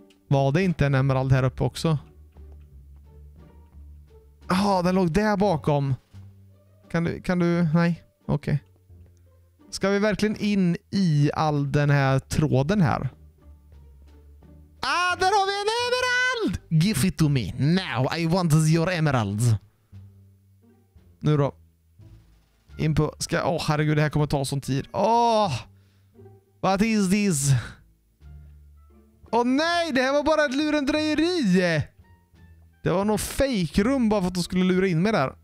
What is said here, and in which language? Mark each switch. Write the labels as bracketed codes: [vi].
[sv] Var det inte en emerald här uppe också? Ja, den låg där bakom. Kan du... Nej, okej. Okay. Ska vi verkligen in i all den här tråden här? Ah, där har vi en emerald! [en] Give it to me. Now I want your emeralds. [sv] Nu då. In på... Åh, herregud, det här kommer ta sån tid. Åh! [en] What is this? [sv] Åh nej, det här var bara ett lurendrejeri. Det var nog fake rum bara för att de skulle lura in mig där.